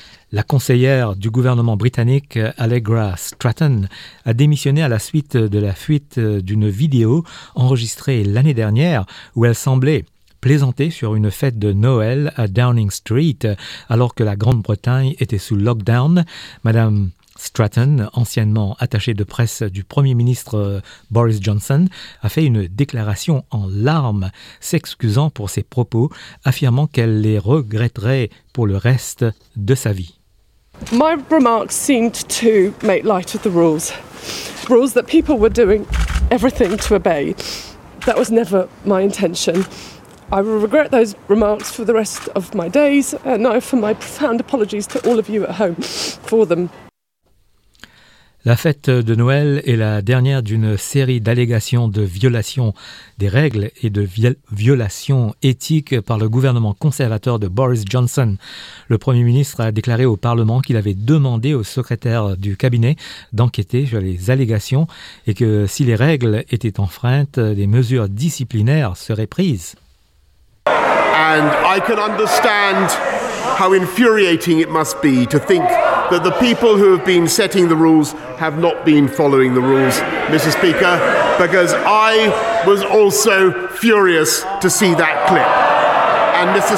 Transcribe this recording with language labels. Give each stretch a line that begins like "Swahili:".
French: La conseillère du gouvernement britannique, Allegra Stratton, a démissionné à la suite de la fuite d'une vidéo enregistrée l'année dernière où elle semblait plaisanter sur une fête de Noël à Downing Street alors que la Grande-Bretagne était sous lockdown. Madame Stratton, anciennement attachée de presse du Premier ministre Boris Johnson, a fait une déclaration en larmes, s'excusant pour ses propos, affirmant qu'elle les regretterait pour le reste de sa vie.
English: My remarks seemed to make light of the rules. Rules that people were doing everything to obey. That was never my intention. I will regret those remarks for the rest of my days, and I offer my profound apologies to all of you at home for them. La fête de Noël est la dernière d'une série d'allégations de violation des règles et de violation éthique par le gouvernement conservateur de Boris Johnson. Le Premier ministre a déclaré au Parlement qu'il avait demandé au secrétaire du cabinet d'enquêter sur les allégations et que si les règles étaient enfreintes, des mesures disciplinaires seraient prises. And I can understand how infuriating it must be to think that the people who have been setting the rules have not been following the rules, Mr. Speaker, because I was also furious to see that clip. And Mr.